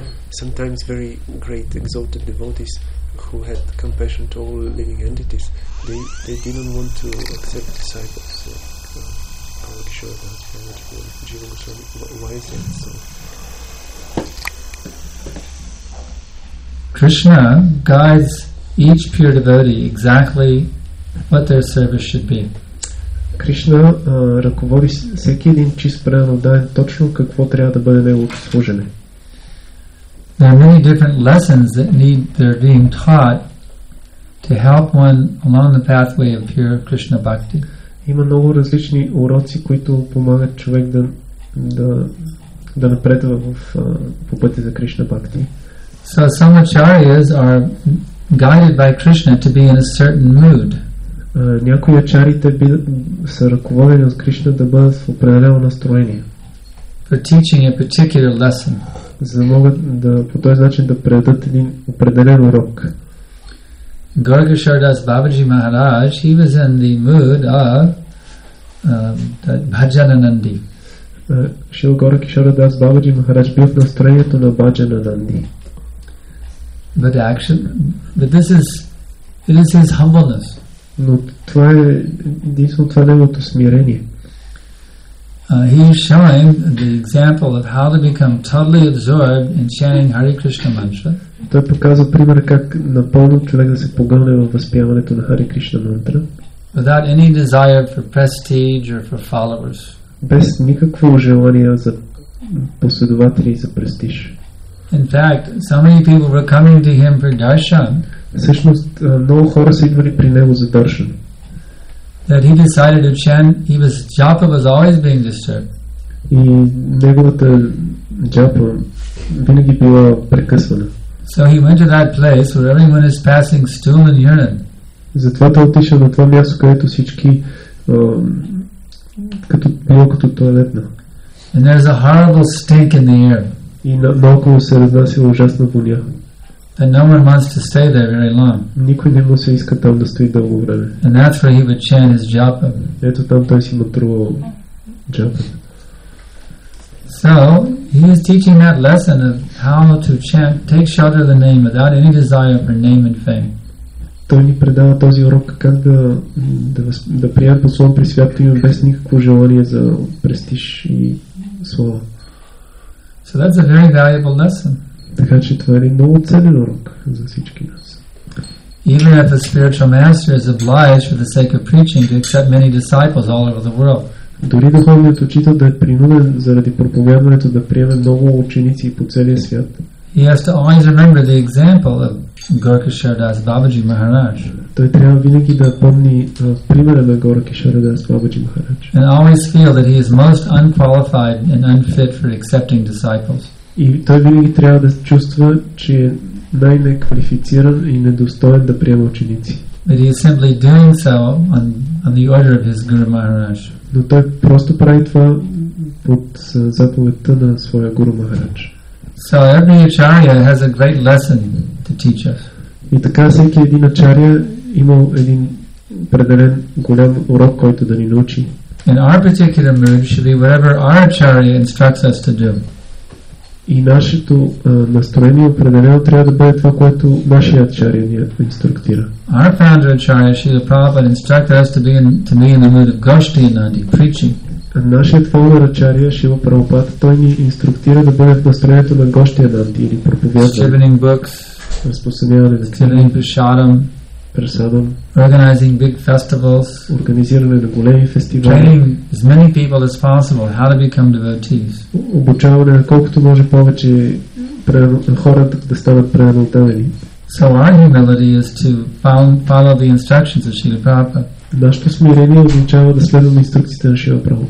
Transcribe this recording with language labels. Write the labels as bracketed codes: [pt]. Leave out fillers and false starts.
[en] Sometimes very great exalted devotees who had compassion to all living entities, they didn't want to accept disciples. So I would show that for Jiva Goswami. Why is that so? Krishna guides each pure devotee exactly what their service should be. [bg] Кришна ръководи всеки един чист преданен точно какво трябва да бъде неговото служене. [en] There are many different lessons that need their being taught to help one along the pathway of pure Krishna bhakti. [bg] Има много различни уроци, които помагат човек да напредва в по пътя за Кришна бхакти. [en] So some acharyas are guided by Krishna to be in a certain mood. [bg] Някои ачарите са ръководени от Кришна да бъдат в определено настроение. [en] For teaching a particular lesson. [bg] За да могат да по този начин да предадат един определен урок. [en] Gargashardas Babaji Maharaj, he was in the mood of Bhajananandi. [bg] Шрила Гаргашардас Бабаджи Махарадж бил в настроението на Бхаджананди. [en] But action, but this is, it is his humbleness. [bg] Но това е единствено това неговото смирение. [en] He is showing the example of how to become totally absorbed in chanting Hare Krishna mantra. [bg] Той показва пример как напълно човек да се погълне в възпяването на Хари Кришна мантра. [en] Without any desire for prestige or for followers. [bg] Без никакво желание за последователи и за престиж. [en] In fact, so many people were coming to him for darshan. [bg] Всъщност много хора са идвали при него за даршан. [en] That he decided to chant, he was japa was always being disturbed. [bg] И неговата джапа винаги била прекъсвана. [en] So he went to that place where everyone is passing stool and urine. [bg] Затова той отишъл на това място, където всички като било като туалетна. [en] And there's a horrible stink in the air. [bg] И наоколо се разнасила ужасна воня. [en] And no one wants to stay there very long. [bg] Никой не му се иска там да стои дълго време. [en] And that's where he would chant his japa. [bg] Ето там той си мътрувал джапа. [en] So, he is teaching that lesson of how to chant, take shelter of the name without any desire for name and fame. [bg] Той ни предава този урок как да приемем послон при святото име без никакво желание за престиж и слава. [en] So that's a very valuable lesson. [bg] Така че това е един много ценен урок за всички нас. [en] Even if a spiritual master is obliged for the sake of preaching to accept many disciples all over the world. [bg] Дори духовният учител да е принуден заради проповядването да приеме много ученици по целия свят. [en] He has to always remember the example of Gaurakishwardas Babaji Maharaj. [bg] Той трябва винаги да помни примера на Gaurakishwardas Babaji Maharaj. [en] And always feel that he is most unqualified and unfit for accepting disciples. [bg] И той винаги трябва да чувства, че е най-неквалифициран и недостоен да приема ученици. [en] But he is simply doing so on the order of his Guru Maharaj. [bg] Но той просто прави това под заповедта на своя Гуру Махарадж. [en] So every acharya has a great lesson to teach us. [bg] И така всеки един ачария има един определен голям урок, който да ни научи. [en] And our particular mood should be whatever our acharya instructs us to do. [bg] И нашето настроение определено трябва да бъде това, което нашия ачария ни инструктира. [en] Our founder acharya Srila Prabhupada instructed us to be in the mood of Gaushtinandi, preaching. [bg] Нашият фолуър ачария Шрила Прабхупада, той ни инструктира да бъде в настроението на Гауштинанди или проповядване, разпространяване на книги, прасадам, прасадам, [en] organizing big festivals, [bg] организиране на големи фестивали, [en] training as many people as possible how to become devotees, [bg] обучаване на колкото може повече хора да станат преданотавени. [en] So our humility is to follow the instructions of Srila Prabhupada. [bg] Нашето смирение означава да следваме инструкциите на Шрила